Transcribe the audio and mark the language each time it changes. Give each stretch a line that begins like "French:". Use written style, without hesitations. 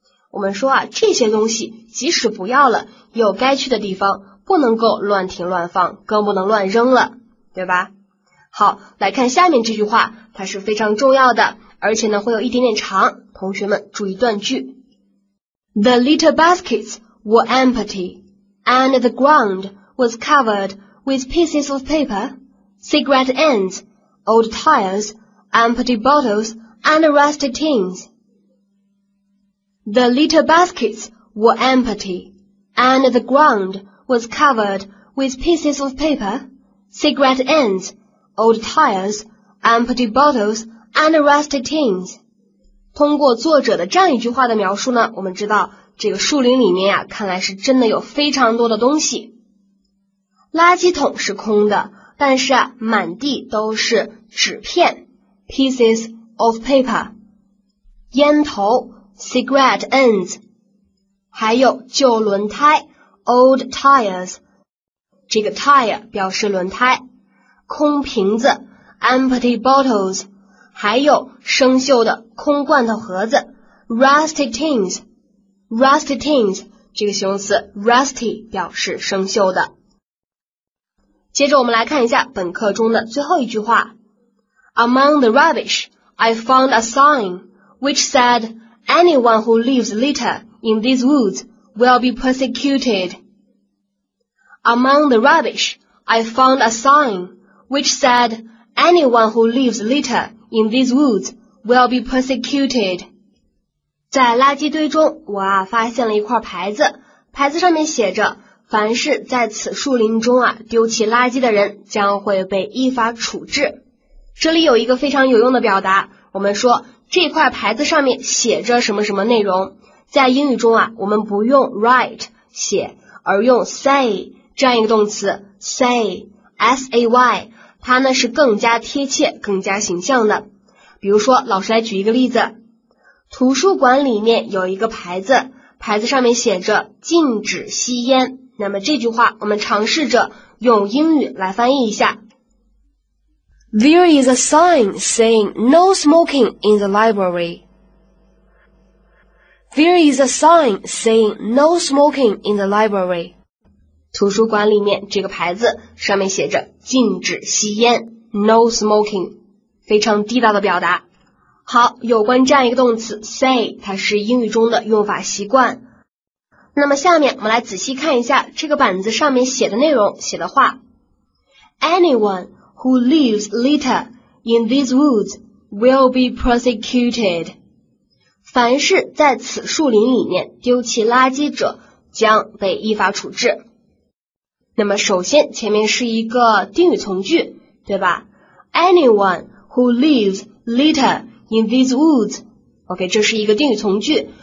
Chinese: 我们说啊，这些东西即使不要了，也有该去的地方，不能够乱停乱放，更不能乱扔了，对吧？好，来看下面这句话，它是非常重要的，而且呢会有一点点长，同学们注意断句。
English: The litter baskets were empty, and the ground was covered with pieces of paper, cigarette ends, old tires, empty bottles, and rusted tins. The litter baskets were empty, and the groundwas covered with pieces of paper, cigarette ends, old tires, empty bottles, and rusted tins.
Chinese: 通过作者的这样一句话的描述呢，我们知道这个树林里面啊，看来是真的有非常多的东西。垃圾桶是空的，但是啊，满地都是纸片 ,
English: pieces of paper,
Chinese: 烟头 ,
English: cigarette ends,
Chinese: 还有旧轮胎
English: Old tires,
Chinese: 这个 tire 表示轮胎，空瓶子 ,
English: empty bottles,
Chinese: 还有生锈的空罐头盒子 ,
English: rusty tins,
Chinese: 这个形容词 rusty 表示生锈的。接着我们来看一下本课中的最后一句话。
English: Among the rubbish, I found a sign which said, anyone who leaves litter in these woods will be persecuted. Among the rubbish, I found a sign which said, anyone who leaves litter in these woods will be persecuted.
Chinese: 在垃圾堆中，我啊发现了一块牌子，牌子上面写着，凡是在此树林中啊丢弃垃圾的人将会被依法处置。这里有一个非常有用的表达，我们说这块牌子上面写着什么什么内容。在英语中啊，我们不用 write 写，而用 say,这样一个动词 say, S-A-Y, 它呢是更加贴切更加形象的。比如说老师来举一个例子，图书馆里面有一个牌子，牌子上面写着禁止吸烟。那么这句话我们尝试着用英语来翻译一下。
English: There is a sign saying no smoking in the library. There is a sign saying no smoking in the library.
Chinese: 图书馆里面这个牌子上面写着禁止吸烟
English: No smoking,
Chinese: 非常地道的表达。好，有关这样一个动词 say, 它是英语中的用法习惯。那么下面我们来仔细看一下这个板子上面写的内容，写的话。
English: Anyone who leaves litter in these woods will be persecuted.
Chinese: 凡是在此树林里面丢弃垃圾者将被依法处置。那么首先前面是一个定语从句，对吧？
English: anyone who lives later in these woods.
Chinese: OK, 这是一个定语从句。